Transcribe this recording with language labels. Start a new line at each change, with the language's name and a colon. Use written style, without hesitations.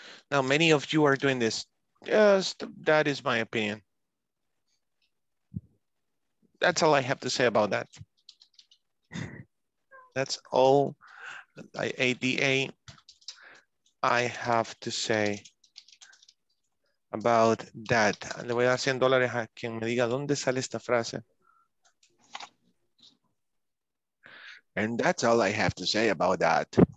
English: Now, many of you are doing this. Just that is my opinion. That's all I have to say about that. That's all ADA I have to say about that.
Spanish: Le voy a dar 100 dólares a quien me diga dónde sale esta frase.
English: And that's all I have to say about that.